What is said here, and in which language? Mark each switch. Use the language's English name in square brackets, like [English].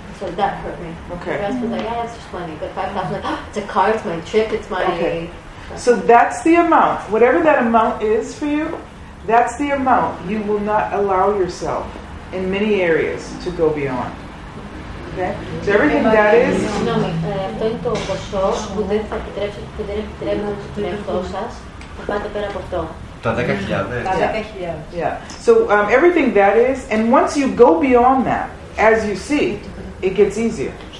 [English] So that hurt me. Okay. The rest was like, yeah, it's just money. But 5,000, like, it's a car, it's my trip, it's my. Okay. So that's the amount. Whatever that amount is for you. That's the amount you will not allow yourself in many areas to go beyond. Okay. So everything that is. [Greek] No, αυτό είναι το ποσό που δεν θα επιτρέψει, που δεν επιτρέπει να το εαυτό σα να πάτε πέρα από αυτό. Τα 10.000. Τα 10.000. [English] Yeah. So everything that is, and once you go beyond that, as you see, it gets easier.